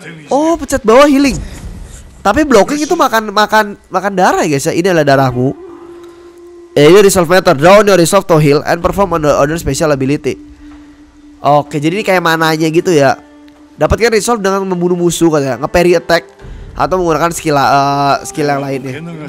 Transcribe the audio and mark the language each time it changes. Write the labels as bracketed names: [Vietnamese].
[Indonesian] Oh, pencet bawah healing. Tapi blocking itu makan darah ya guys ya. Ini adalah darahmu. Ini [English] resolve meter, draw on your resolve to heal and perform on the other special ability. [Indonesian] Oke, jadi ini kayak mananya gitu ya. Dapatkan resolve dengan membunuh musuh katanya, nge-parry attack atau menggunakan skill skill yang lainnya.